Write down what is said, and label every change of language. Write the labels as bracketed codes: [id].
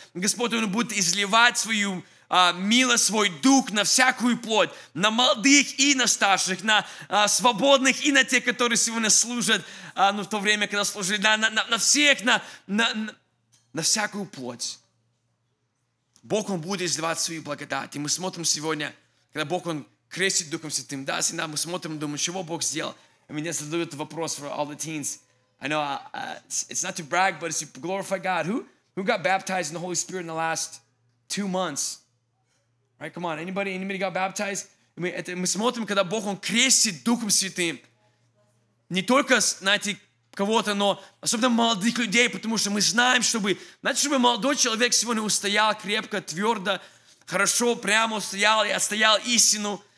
[ru] Господь будет изливать свою мило свой дух на всякую плоть, на молодых и на старших, на свободных и на тех, которые сегодня служат, ну, в то время, когда служили, на всех, на всякую плоть. Бог, Он будет изливать свою благодать. И мы смотрим сегодня, когда Бог, Он крестит Духом Святым, да, всегда мы смотрим и думаем, чего Бог сделал. И меня задают вопрос [en] for all the teens. I know, it's not to brag, but it's to glorify God. Who got baptized in the Holy Spirit in the last 2 months? Right, come on, anybody got baptized? [ru] Мы смотрим, когда Бог, Он крестит Духом Святым. Не только, знаете, кого-то, но особенно молодых людей, потому что мы знаем, чтобы, знаете, чтобы молодой человек сегодня устоял крепко, твердо, хорошо, прямо устоял и отстоял истину.